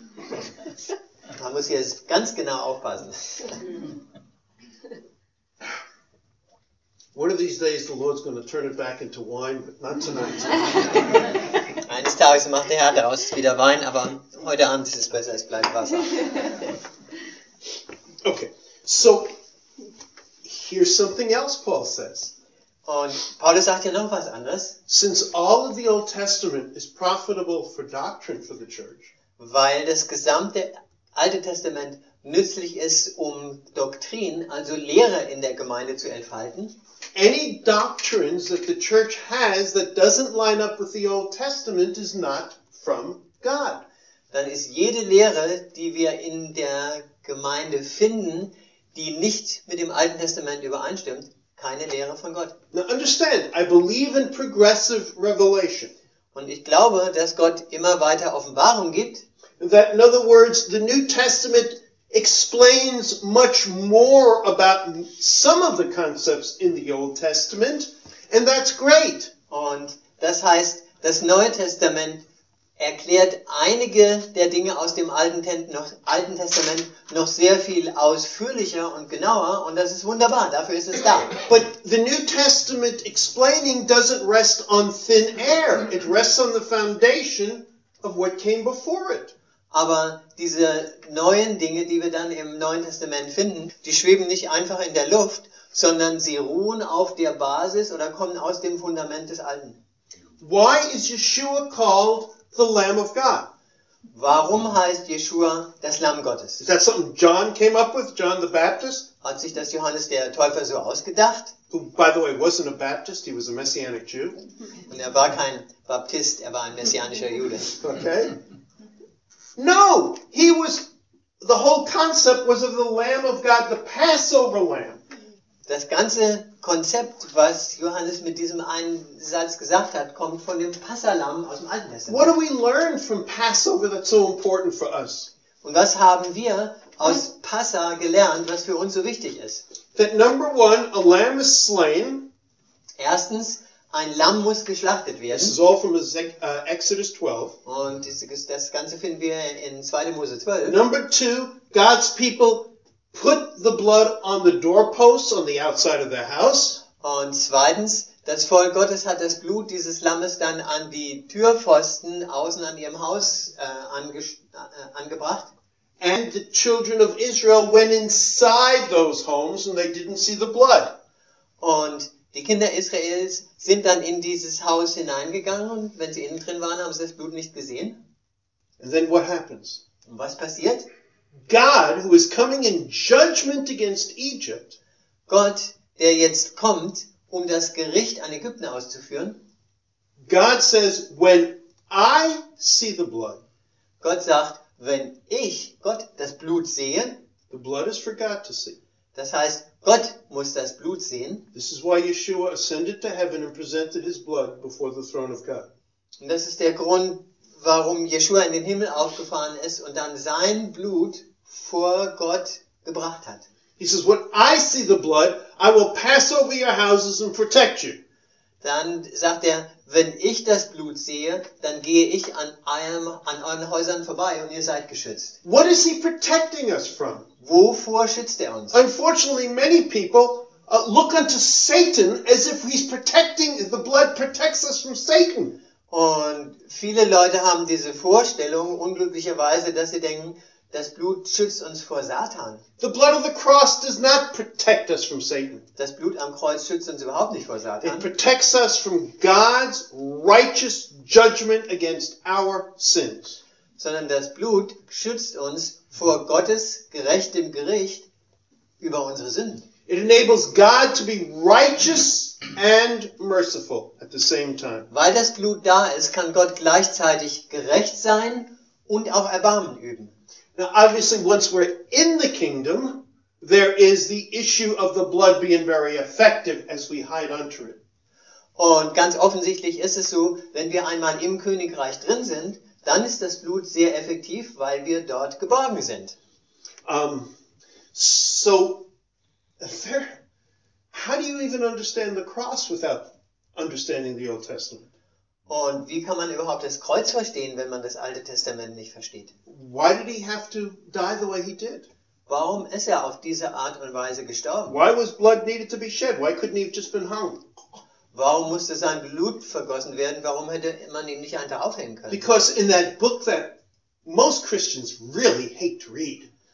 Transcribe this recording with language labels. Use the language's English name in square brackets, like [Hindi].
[German] Oh, man muss jetzt ganz genau aufpassen. [English] One of these days the Lord's going to turn it back into wine, but not tonight. [German] Eines Tages macht der Herr daraus wieder Wein, aber heute Abend ist es besser, es bleibt Wasser. [English] Okay, so here's something else Paul says. [German] Und Paulus sagt ja noch was anderes. [English] Since all of the Old Testament is profitable for doctrine for the church. [German] Weil das gesamte Alte Testament nützlich ist, um Doktrin, also Lehre in der Gemeinde zu entfalten. [English] Any doctrines that the church has that doesn't line up with the Old Testament is not from God. [German] Dann ist jede Lehre, die wir in der Gemeinde finden, die nicht mit dem Alten Testament übereinstimmt, keine Lehre von Gott. [English] Now understand, I believe in progressive revelation. [German] Und ich glaube, dass Gott immer weiter Offenbarung gibt. [English] That in other words, the New Testament explains much more about some of the concepts in the Old Testament, and that's great. [German] Und das heißt, das Neue Testament erklärt einige der Dinge aus dem Alten Testament noch sehr viel ausführlicher und genauer, und das ist wunderbar, dafür ist es da. [English] But the New Testament explaining doesn't rest on thin air. It rests on the foundation of what came before it. [German] Aber diese neuen Dinge, die wir dann im Neuen Testament finden, die schweben nicht einfach in der Luft, sondern sie ruhen auf der Basis oder kommen aus dem Fundament des Alten. [English] Why is Yeshua called the Lamb of God? [German] Warum heißt Yeshua das Lamm Gottes? [English] Is that something John came up with, John the Baptist? [German] Hat sich das Johannes der Täufer so ausgedacht? [English] Who, by the way, wasn't a Baptist, he was a Messianic Jew. [German] Und er war kein Baptist, er war ein messianischer Jude. [English] Okay. No, he was, the whole concept was of the Lamb of God, the Passover Lamb. [German] Das ganze Konzept, was Johannes mit diesem einen Satz gesagt hat, kommt von dem Passahlamm aus dem Alten Testament. [English] What do we learn from Passover that's so important for us? [German] Und was haben wir aus Passa gelernt, was für uns so wichtig ist? [English] That number one, a lamb is slain. [German] Erstens, ein Lamm muss geschlachtet werden. [English] This is all from Exodus 12. [German] Und das Ganze finden wir in 2. Mose 12. [English] Number two, God's people put the blood on the doorposts on the outside of the house. [German] Und zweitens, das Volk Gottes hat das Blut dieses Lammes dann an die Türpfosten außen an ihrem Haus angebracht. [English] And the children of Israel went inside those homes and they didn't see the blood. [German] Und die Kinder Israels sind dann in dieses Haus hineingegangen und wenn sie innen drin waren, haben sie das Blut nicht gesehen. [English] And then what happens? [German] Und was passiert? [English] God, who is coming in judgment against Egypt, [German] Gott, der jetzt kommt, um das Gericht an Ägypten auszuführen, [English] God says, when I see the blood, [German] Gott sagt, wenn ich, Gott, das Blut sehe, [English] the blood is for God to see. [German] Das heißt, Gott muss das Blut sehen. [English] This is why Yeshua ascended to heaven and presented his blood before the throne of God. [German] Und das ist der Grund, warum Yeshua in den Himmel aufgefahren ist und dann sein Blut vor Gott gebracht hat. [English] He says, when I see the blood, I will pass over your houses and protect you. [German] dann sagt er, wenn ich das Blut sehe, dann gehe ich an eurem, an euren Häusern vorbei und ihr seid geschützt. [English] What is he protecting us from? [German] Wovor schützt er uns? [English] Unfortunately, many people look unto Satan as if he's protecting, the blood protects us from Satan. [German] Und viele Leute haben diese Vorstellung, unglücklicherweise, dass sie denken, das Blut schützt uns vor Satan. [English] The blood of the cross does not protect us from Satan. [German] Das Blut am Kreuz schützt uns überhaupt nicht vor Satan. [English] It protects us from God's righteous judgment against our sins. [German] Sondern das Blut schützt uns vor Gottes gerechtem Gericht über unsere Sünden. [English] It enables God to be righteous and merciful at the same time. [German] Weil das Blut da ist, kann Gott gleichzeitig gerecht sein und auch Erbarmen üben. [English] Now, obviously, once we're in the kingdom, there is the issue of the blood being very effective as we hide under it. [German] Und ganz offensichtlich ist es so, wenn wir einmal im Königreich drin sind, dann ist das Blut sehr effektiv, weil wir dort geborgen sind. [English] So, how do you even understand the cross without understanding the Old Testament? [German] Und wie kann man überhaupt das Kreuz verstehen, wenn man das Alte Testament nicht versteht? [English] Why did he have to die the way he did? [German] Warum ist er auf diese Art und Weise gestorben? [English] Why was blood needed to be shed? Why couldn't he have just been hung? [German] Warum musste sein Blut vergossen werden? Warum hätte man ihn nicht einfach aufhängen können? [English] Because in that book that most Christians really hate to read.